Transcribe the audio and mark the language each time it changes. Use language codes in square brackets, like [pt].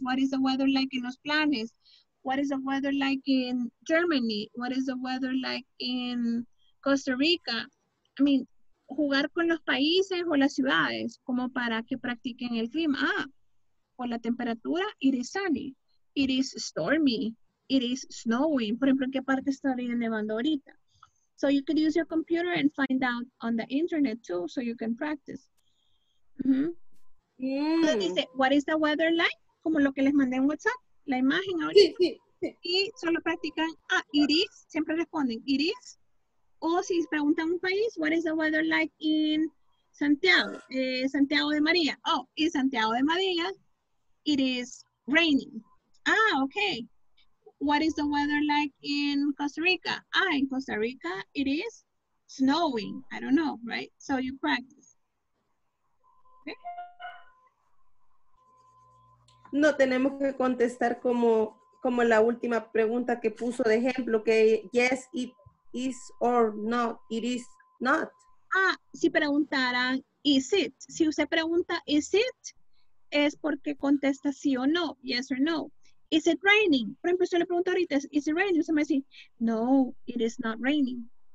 [en] What is the weather like in Los Planes? What is the weather like in Germany? What is the weather like in Costa Rica? I mean, [es] jugar con los países o las ciudades como para que practiquen el clima. Ah, por la temperatura, [en] it is sunny. It is stormy. It is snowing. [es] Por ejemplo, ¿en qué parte estaría nevando ahorita? [en] So you could use your computer and find out on the internet too, so you can practice. [es] Dice, [en] what is the weather like? [es] Como lo que les mandé en WhatsApp, la imagen ahorita. Sí, sí, sí. Y solo practican, ah, [en] it is, [es] siempre responden, it is. O si preguntan un país, [en] what is the weather like in Santiago, Santiago de María. Oh, in Santiago de María, it is raining. Ah, okay. What is the weather like in Costa Rica? Ah, in Costa Rica, it is snowing. I don't know, right? So you practice. Okay. [es] No tenemos que contestar como la última pregunta que puso de ejemplo, que [en] yes, it is or no, it is not. [es] Ah, si preguntaran, [en] is it? [es] Si usted pregunta, is it? Es porque contesta sí o no, [en] yes or no. Is it raining? [es] Por ejemplo, si yo le pregunto ahorita, [en] is it raining? [es] Usted me dice, [en] no, it is not raining.